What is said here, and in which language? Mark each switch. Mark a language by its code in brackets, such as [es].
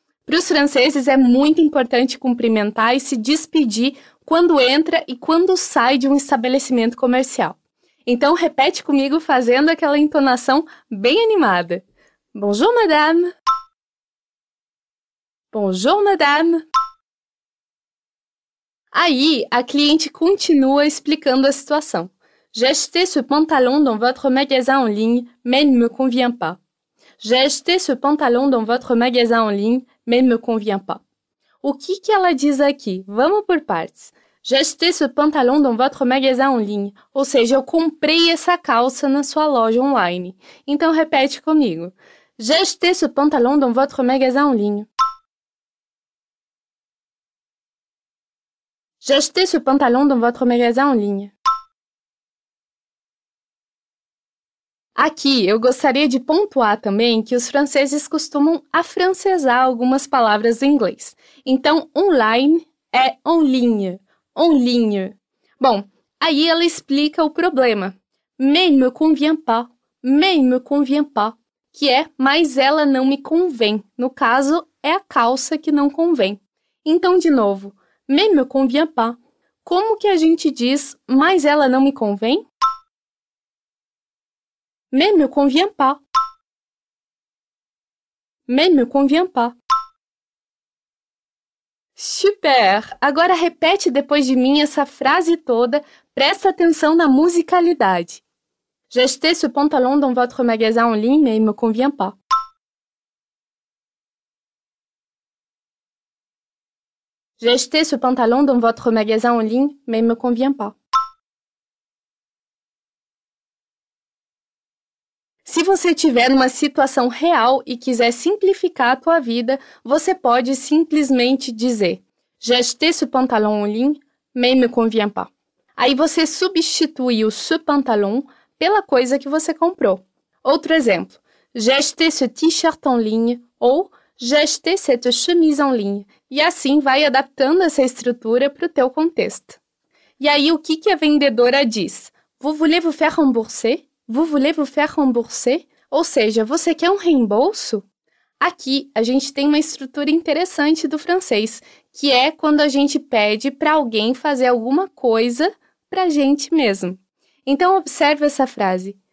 [pt] Para os franceses, é muito importante cumprimentar e se despedir quando entra e quando sai de um estabelecimento comercial. Então, repete comigo fazendo aquela entonação bem animada. [fr] Bonjour, madame. Bonjour, madame. [pt] Aí, a cliente continua explicando a situação. [fr] J'ai acheté ce pantalon dans votre magasin en ligne, mais il ne me convient pas. J'ai acheté ce pantalon dans votre magasin en ligne, mais il ne me convient pas. [pt] O que ela diz aqui? Vamos por partes. [fr] J'ai acheté ce pantalon dans votre magasin en ligne. [pt] Ou seja, eu comprei essa calça na sua loja online. Então, repete comigo. [fr] J'ai acheté ce pantalon dans votre magasin en ligne. J'ai acheté ce pantalon dans votre magasin en ligne. [pt] Aqui, eu gostaria de pontuar também que os franceses costumam afrancesar algumas palavras em inglês. Então, online é en ligne, en ligne. Bom, aí ela explica o problema. [fr] Mais me convient pas, mais me convient pas. [pt] Que é, mas ela não me convém. No caso, é a calça que não convém. Então, de novo, [fr] mais me convient pas. [pt] Como que a gente diz, mas ela não me convém? [fr] Mais me convient pas. Mais me convient pas. [pt] Super! Agora repete depois de mim essa frase toda. Presta atenção na musicalidade. [fr] J'ai acheté ce pantalon dans votre magasin en ligne, mais il me convient pas. J'ai acheté ce pantalon dans votre magasin en ligne, mais il me convient pas. [pt] Se você estiver numa situação real e quiser simplificar a tua vida, você pode simplesmente dizer [fr] J'ai acheté ce pantalon en ligne, mais il me convient pas. [pt] Aí você substitui o ce pantalon pela coisa que você comprou. Outro exemplo, [fr] J'ai acheté ce t-shirt en ligne ou J'ai acheté cette chemise en ligne. [pt] E assim vai adaptando essa estrutura para o teu contexto. E aí o que a vendedora diz? [fr] Vous voulez vous faire rembourser? Vous voulez vous faire rembourser? [pt] Ou seja, você quer um reembolso? Aqui, a gente tem uma estrutura interessante do francês, que é quando a gente pede para alguém fazer alguma coisa para a gente mesmo. Então, observe essa frase.